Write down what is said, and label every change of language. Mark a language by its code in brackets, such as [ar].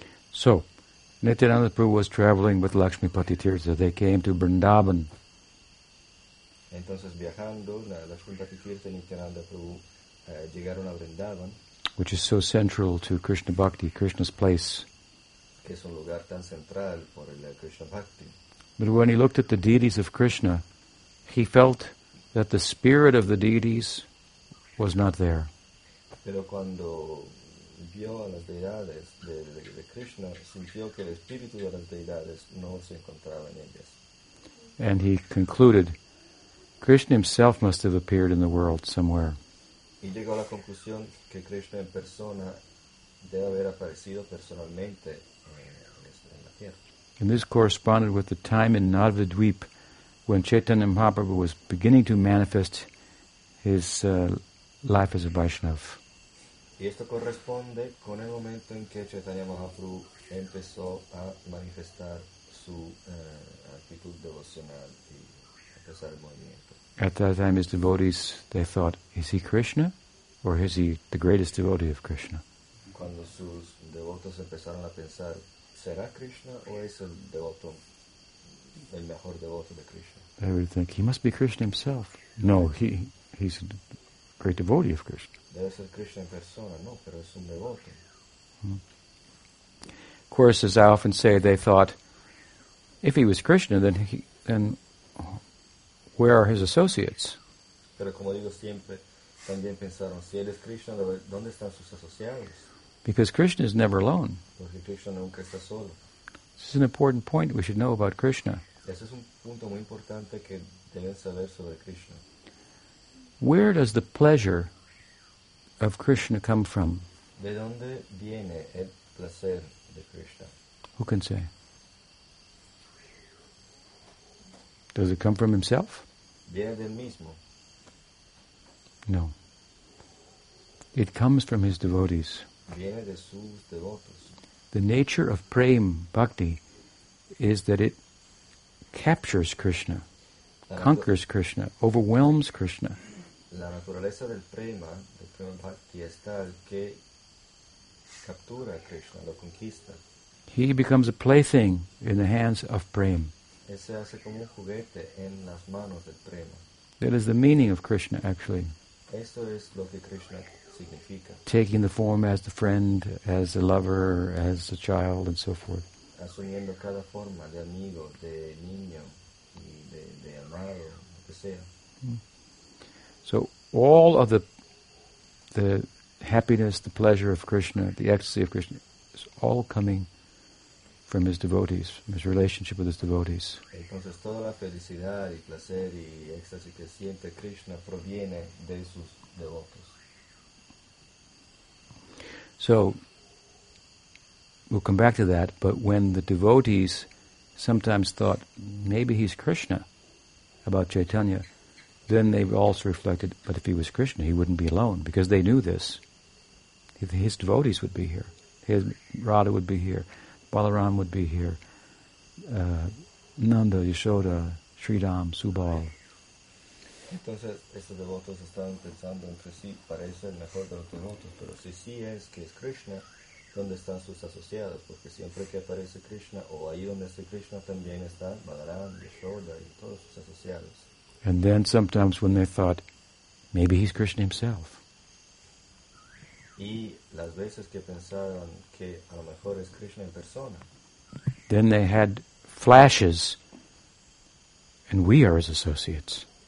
[en] So, Nityananda Prabhu was traveling with Lakshmipati Tirtha. They came to Vrindavan. [es] Entonces viajando, la Junta Tirtha y Nityananda Prabhu llegaron a Vrindavan, [en] which is so central to Krishna Bhakti, Krishna's place. [es] Que es un lugar tan central por el Krishna Bhakti. [en] But when he looked at the deities of Krishna, he felt that the spirit of the deities was not there. [es] Pero cuando vio a las deidades de Krishna, sintió que el espíritu de las deidades no se encontraba en ellas. [en] And he concluded, Krishna himself must have appeared in the world somewhere. [es] Y llegó a la conclusión que Krishna en persona debe haber aparecido personalmente en la tierra. [en] And this corresponded with the time in Navadvip when Chaitanya Mahaprabhu was beginning to manifest his life as a Vaishnava. [es] Y esto corresponde con el momento en que Chaitanya Mahaprabhu empezó a manifestar su actitud devocional y empezar el movimiento. [en] At that time, his devotees, they thought, is he Krishna, or is he the greatest devotee of Krishna? [es] Cuando sus devotos empezaron a pensar, ¿será Krishna o es el devoto, el mejor devoto de Krishna? [en] They would think, he must be Krishna himself. No, he's a great devotee of Krishna. [es] Debe ser Krishna en persona, no, pero es un devoto. [en] Of course, as I often say, they thought, if he was Krishna, then where are his associates? [es] Pero como digo siempre, también pensaron, si él es Krishna, ¿dónde están sus asociados? [en] Because Krishna is never alone. [es] Porque Krishna nunca está solo. [en] This is an important point we should know about Krishna. [es] Ese es un punto muy importante que deben saber sobre Krishna. [en] Where does the pleasure of Krishna come from? [es] ¿De dónde viene el placer de Krishna? [en] Who can say? Does it come from himself? [es] Viene del mismo. [en] No. It comes from his devotees. [es] Viene de sus devotos. [en] The nature of prem bhakti is that it captures Krishna, conquers Krishna, overwhelms Krishna. [es] La naturaleza del prema bhakti es tal que captura Krishna, lo conquista. [en] He becomes a plaything in the hands of prem. [es] Se hace como un juguete en las manos del prema. [en] That is the meaning of Krishna, actually. [es] Eso es lo que Krishna significa. [en] Taking the form as the friend, as a lover, as a child, and so forth. [es] Asumiendo cada forma de amigo, de niño, y de amado, lo que sea. [en] So all of the happiness, the pleasure of Krishna, the ecstasy of Krishna, is all coming from his devotees, from his relationship with his devotees. [es] Entonces toda la felicidad y placer y éxtasis que siente Krishna proviene de sus devotos. [en] So, we'll come back to that, but when the devotees sometimes thought, maybe he's Krishna, about Chaitanya, then they also reflected, but if he was Krishna, he wouldn't be alone, because they knew this. His devotees would be here. His Radha would be here. Balaram would be here. Nanda, Yashoda, Sridham, Subal. [es] Entonces, estos devotos estaban pensando entre sí, parece el mejor de los devotos, pero si sí es que es Krishna, ¿dónde están sus asociados? Porque siempre que aparece Krishna, o ahí donde está Krishna, también están Balaram, Yashoda, y todos sus asociados. [en] And then sometimes when they thought, maybe he's Krishna himself. [es] Y las veces que pensaron que a lo mejor es Krishna en persona. [en] Then they had flashes, and we are his associates.